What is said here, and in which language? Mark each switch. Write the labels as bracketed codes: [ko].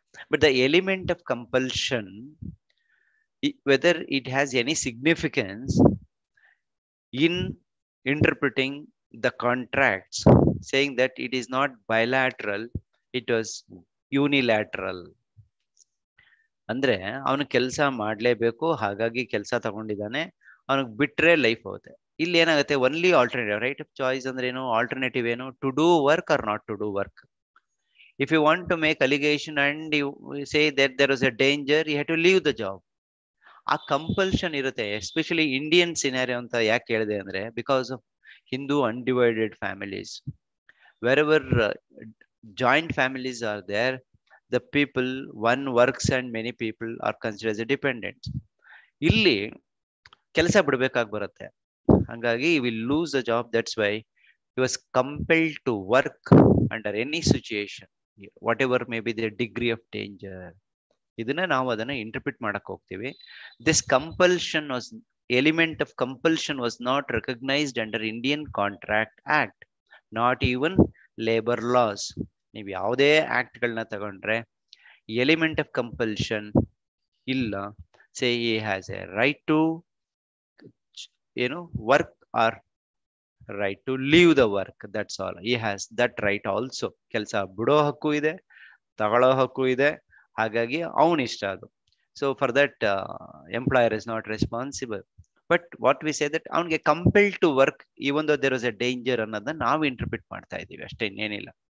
[en] But the element of compulsion, whether it has any significance in interpreting the contracts, saying that it is not bilateral, it was unilateral. [kn] ಅಂದ್ರೆ ಅವನು ಕೆಲಸ ಮಾಡಲೇಬೇಕು, ಹಾಗಾಗಿ ಕೆಲಸ ತಗೊಂಡಿದ್ದಾನೆ, ಅವನಿಗೆ ಬಿಟ್ಟರೆ ಲೈಫ್ ಹೋಗುತ್ತೆ. ಇಲ್ಲಿ ಏನಾಗುತ್ತೆ, [en] Only alternative. Right of choice [kn] ಅಂದ್ರೆ ಏನು, [en] Alternative ಏನು, to do work or not to do work. If you want to make allegation and you say that there was a danger, you have to leave the job. ಆ compulsion ಇರುತ್ತೆ, especially Indian scenario [kn] ಅಂತ ಯಾಕೆ ಹೇಳಿದೆ ಅಂದ್ರೆ, [en] Because of Hindu undivided families. Wherever joint families are there, the people, one works and many people are considered as a dependent. [kn] Illi kelasa bidbekaag baruthe, hangagi [en] he will lose the job. That's why he was compelled to work under any situation, whatever may be the degree of danger. [kn] Idana naavu adana interpret madak hogtivi. [en] This compulsion was, element of compulsion was not recognized under Indian Contract Act, not even labor laws. [kn] ನೀವು ಯಾವುದೇ ಆಕ್ಟ್ಗಳನ್ನ ತಗೊಂಡ್ರೆ [en] element of compulsion [kn] ಇಲ್ಲ. [en] Say he has a right to ಏನು work or right to leave the work. That's all. He has that right also. [kn] Kelsa bido hakku ide, tagalo hakku ide, hagagi avan ishta adu. [en] So for that, employer is not responsible. But what we say that [kn] avanige [en] compelled to work, even though there was a danger [kn] annada naavu interpret maartta idivi ashte innenilla.